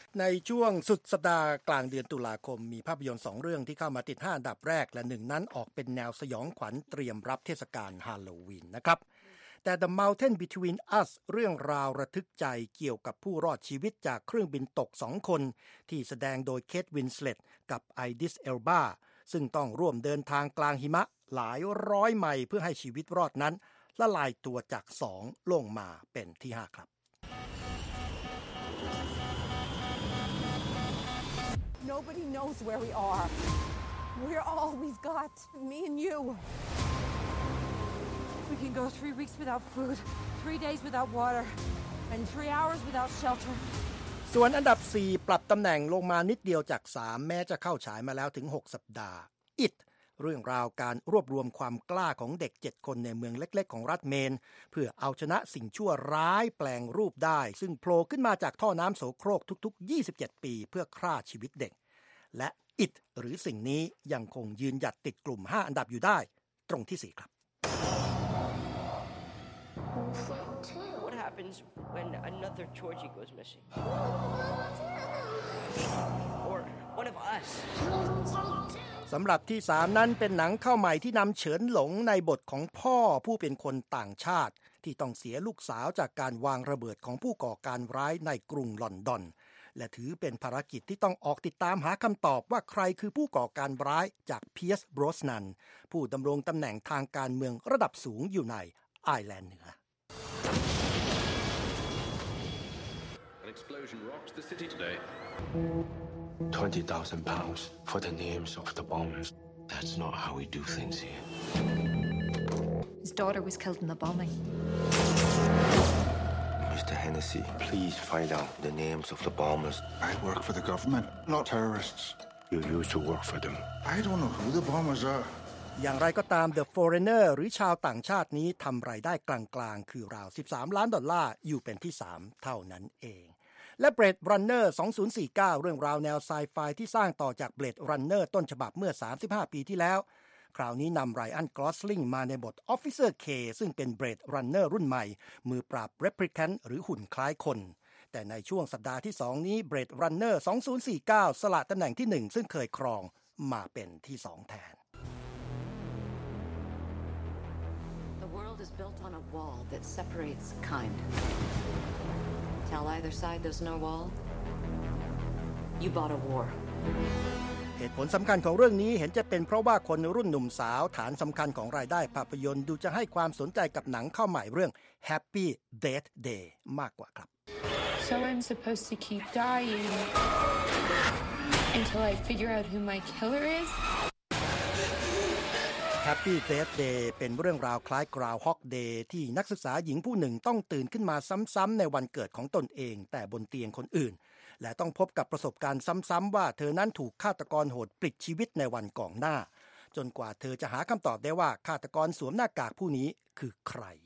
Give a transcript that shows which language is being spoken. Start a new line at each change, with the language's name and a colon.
Thai: ในช่วงสุดสัปดาห์กลางเดือนตุลาคมมีภาพยนตร์2 เรื่องที่เข้ามาติด5 อันดับแรกและ1 นั้นออกเป็นแนวสยองขวัญเตรียมรับเทศกาลฮาโลวีนนะครับแต่ The Mountain Between Us เรื่องราวระทึกใจเกี่ยวกับผู้รอดชีวิตจากเครื่องบินตก2 คนที่แสดงโดยเคทวินสเลตกับไอดิสเอลบาซึ่งต้องร่วมเดินทางกลางหิมะหลายร้อยไมล์เพื่อให้ชีวิตรอดนั้นละลายตัวจาก2ลงมาเป็นที่5ครับ
English: Nobody knows where we are. We're all we've got, me and you. We can go 3 weeks without food, 3 days without water and 3 hours without shelter.
Thai: ส่วนอันดับ4ปรับตำแหน่งลงมานิดเดียวจาก3แม้จะเข้าฉายมาแล้วถึง6สัปดาห์อิดเรื่องราวการรวบรวมความกล้าของเด็ก7คนในเมืองเล็กๆของรัฐเมนเพื่อเอาชนะสิ่งชั่วร้ายแปลงรูปได้ซึ่งโผล่ขึ้นมาจากท่อน้ำโสโครกทุกๆ27 ปีเพื่อฆ่าชีวิตเด็กและอิดหรือสิ่งนี้ยังคงยืนหยัดติดกลุ่ม5อันดับอยู่ได้ตรงที่4ครับ
English: happens when another Georgie goes missing. Or one of us.
Thai: สำหรับที่3นั้นเป็นหนังเข้าใหม่ที่นำเฉินหลงในบทของพ่อผู้เป็นคนต่างชาติที่ต้องเสียลูกสาวจากการวางระเบิดของผู้ก่อการร้ายในกรุงลอนดอนและถือเป็นภารกิจที่ต้องออกติดตามหาคำตอบว่าใครคือผู้ก่อการร้ายจากเพียร์ซ บรอสนันผู้ดำรงตำแหน่งทางการเมืองระดับสูงอยู่ในไอร์แลนด์เหนือ
English: Explosion rocks the city today. 20,000 pounds for the names of the bombers. That's not how we do things here. His daughter was killed in the bombing. Mr. Hennessy, please find out the names of the bombers. I work for the government, not terrorists. You used to work for them. I don't know who the bombers are.
Thai: อย่างไรก็ตาม The Foreigner หรือชาวต่างชาตินี้ทำรายได้กลางๆคือราว$13 ล้านอยู่เป็นที่3เท่านั้นเองและ Blade Runner 2049เรื่องราวแนวไซไฟที่สร้างต่อจาก Blade Runner ต้นฉบับเมื่อ35 ปีที่แล้วคราวนี้นำ Ryan Gosling มาในบท Officer K ซึ่งเป็น Blade Runner รุ่นใหม่มือปราบ Replicant หรือหุ่นคล้ายคนแต่ในช่วงสัปดาห์ที่2นี้ Blade Runner 2049สละตำแหน่งที่1ซึ่งเคยครองมาเป็นที่2แทน
English: Is built on a wall that separates kind. Tell either side there's no wall. You bought a war.
Thai: เหตุผลสำคัญของเรื่องนี้เห็นจะเป็นเพราะว่าคนรุ่นหนุ่มสาวฐานสำคัญของรายได้ภาพยนตร์ดูจะให้ความสนใจกับหนังเข้าใหม่เรื่อง Happy Death Day มากกว่าครับ
English: So I'm supposed to keep dying until I figure out who my killer is.
Thai: Happy Death Day เป็นเรื่องราวคล้าย Groundhog Day ที่นักศึกษาหญิงผู้หนึ่งต้องตื่นขึ้นมาซ้ำๆในวันเกิดของตนเองแต่บนเตียงคนอื่นและต้องพบกับประสบการณ์ซ้ำๆว่าเธอนั้นถูกฆาตกรโหดปลิดชีวิตในวันก่อนหน้าจนกว่าเธอจะหาคำตอบได้ว่าฆาตกรสวมหน้ากากผู้นี้คือใคร